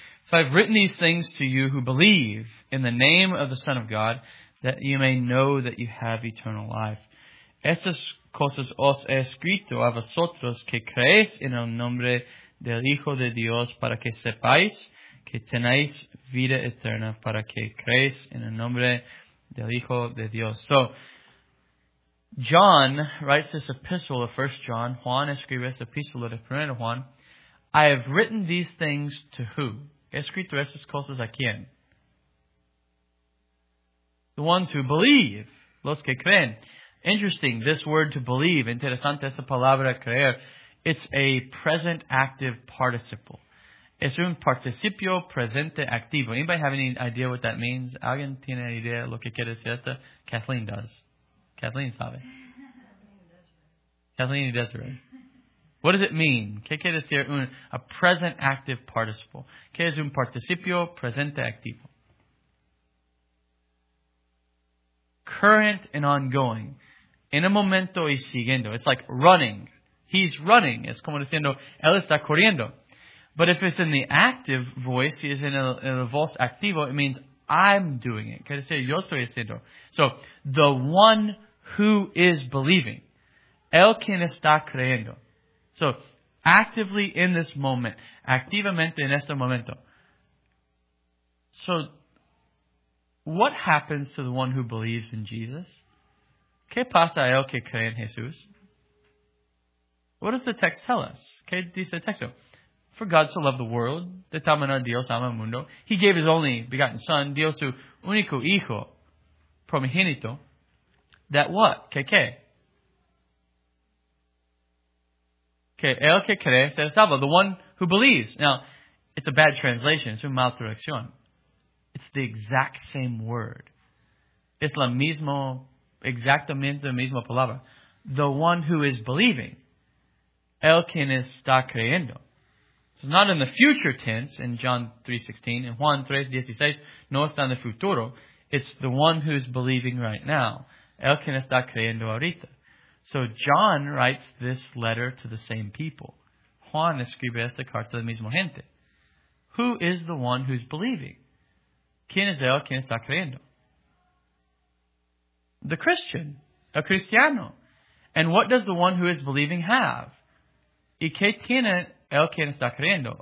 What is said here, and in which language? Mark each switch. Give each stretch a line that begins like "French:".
English: So I've written these things to you who believe in the name of the Son of God, that you may know that you have eternal life.
Spanish: Estas cosas os he escrito a vosotros que creéis en el nombre del Hijo de Dios para que sepáis que tenéis vida eterna, para que creéis en el nombre del Hijo de Dios.
English: So, John writes this epistle of 1 John.
Spanish: Juan escribe esta epístola de 1 Juan.
English: I have written these things to who?
Spanish: He escrito esas cosas a quién?
English: The ones who believe.
Spanish: Los que creen.
English: Interesting, this word to believe.
Spanish: Interesante esa palabra creer.
English: It's a present active participle.
Spanish: Es un participio presente activo.
English: Anybody have any idea what that means?
Spanish: ¿Alguien tiene idea lo que quiere decir esto?
English: Kathleen does.
Spanish: Kathleen sabe. Kathleen y Desiree.
English: What does it mean?
Spanish: ¿Qué quiere decir
English: a present active participle?
Spanish: ¿Qué es un participio presente activo?
English: Current and ongoing.
Spanish: En el momento y siguiendo.
English: It's like running. he's running.
Spanish: Es como diciendo, él está corriendo.
English: But if it's in the active voice,
Spanish: si es en el voz activo,
English: it means I'm doing it.
Spanish: Quiere decir, yo estoy haciendo.
English: So, the one who is believing.
Spanish: El quien está creyendo.
English: So, actively in this moment.
Spanish: Activamente en este momento.
English: So, what happens to the one who believes in Jesus?
Spanish: ¿Qué pasa a él que cree en Jesús?
English: What does the text tell us?
Spanish: ¿Qué dice el texto?
English: For God so loved the world,
Spanish: de tal manera Dios ama el mundo.
English: He gave his only begotten son,
Spanish: dio su único hijo, primogénito.
English: That what?
Spanish: ¿Qué? Que el que cree se salva.
English: The one who believes. Now, it's a bad translation.
Spanish: Es una mala traducción.
English: It's the exact same word.
Spanish: Es la misma, exactamente la misma palabra.
English: The one who is believing.
Spanish: El quien está creyendo.
English: So it's not in the future tense in John 3:16.
Spanish: In Juan 3:16, no está en el futuro.
English: It's the one who's believing right now.
Spanish: El quien está creyendo ahorita.
English: So John writes this letter to the same people.
Spanish: Juan escribe esta carta a la misma gente.
English: Who is the one who's believing?
Spanish: ¿Quién es él? ¿Quién está creyendo?
English: The Christian.
Spanish: El cristiano.
English: And what does the one who is believing have?
Spanish: ¿Y qué tiene él quien está creyendo?